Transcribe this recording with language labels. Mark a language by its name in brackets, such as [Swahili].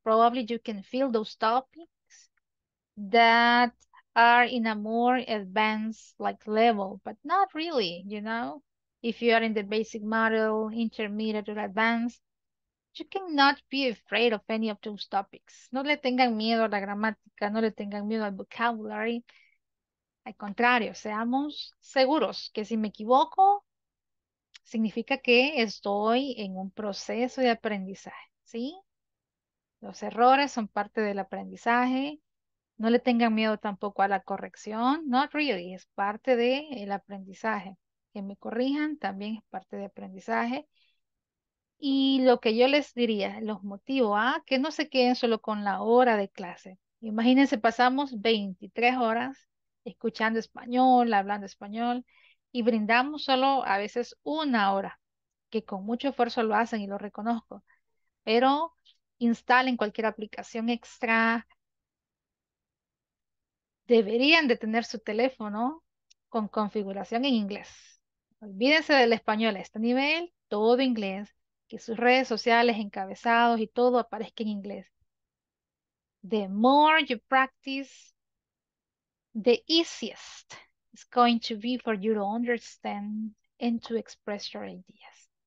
[English] Probably you can fill those topics that are in a more advanced like level, but not really, you know. If you are in the basic model, intermediate or advanced, you cannot be afraid of any of those topics. [Spanish] No le tengan miedo a la gramática, no le tengan miedo al vocabulary. Al contrario, seamos seguros que si me equivoco, significa que estoy en un proceso de aprendizaje, ¿sí? Los errores son parte del aprendizaje. No le tengan miedo tampoco a la corrección. [English] Not really, [Spanish] es parte del aprendizaje. Que me corrijan también es parte del aprendizaje. Y lo que yo les diría, los motivo a que no se queden solo con la hora de clase. Imagínense, pasamos 23 horas escuchando español, hablando español, y brindamos solo a veces una hora, que con mucho esfuerzo lo hacen y lo reconozco. Pero instalen cualquier aplicación extra. Deberían de tener su teléfono con configuración en inglés. Olvídense del español a este nivel, todo inglés. Que sus redes sociales, encabezados y todo aparezca en inglés. [English] The more you practice, the easiest it's going to be for you to understand and to express your ideas.